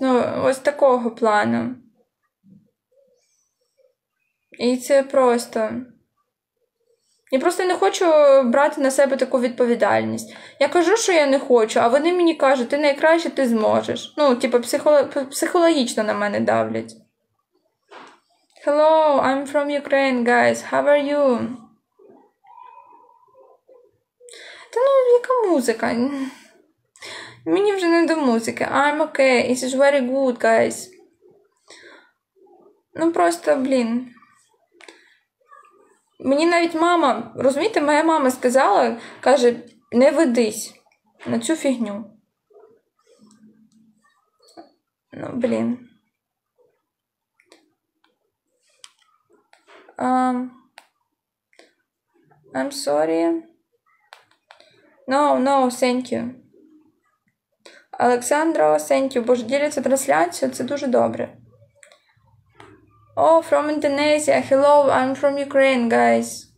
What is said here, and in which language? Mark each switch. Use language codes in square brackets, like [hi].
[uk] Ну, ось такого плану. І це просто. Я просто не хочу брати на себе таку відповідальність. Я кажу, що я не хочу, а вони мені кажуть, ти найкраще, ти зможеш. Ну, типу, психологічно на мене давлять. [en] Hello, I'm from Ukraine, guys. How are you? [uk] Ну, яка музика? Мені вже не до музики. [en] I'm okay. It's very good, guys. [uk] Ну, просто, блін. Мені навіть мама, розумієте, моя мама сказала, каже, не ведись на цю фігню. Ну, блін. [en] I'm sorry. No, thank you. Олександро, thank you. [uk] Боже, діляться трансляцію, це дуже добре. [en] Oh, from Indonesia. Hello, I'm from Ukraine, guys.